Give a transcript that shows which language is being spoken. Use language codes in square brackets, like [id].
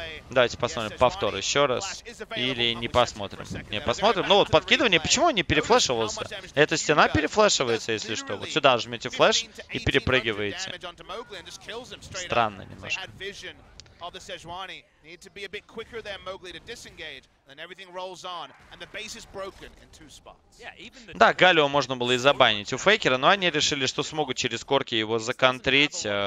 [ru] Давайте посмотрим повтор еще раз. Или не посмотрим. Не посмотрим. Ну вот подкидывание, почему он не перефлешивался? Эта стена перефлешивается, если что. Вот сюда жмете флеш и перепрыгиваете. Странно немножко. [en] Of the Sejuani need to be a bit quicker there, Mowgli, to disengage. Then everything rolls on, and the base is broken in two spots. [ru] Да, Галио можно было и забанить у Фейкера, но они решили, что смогут через корки его законтрить.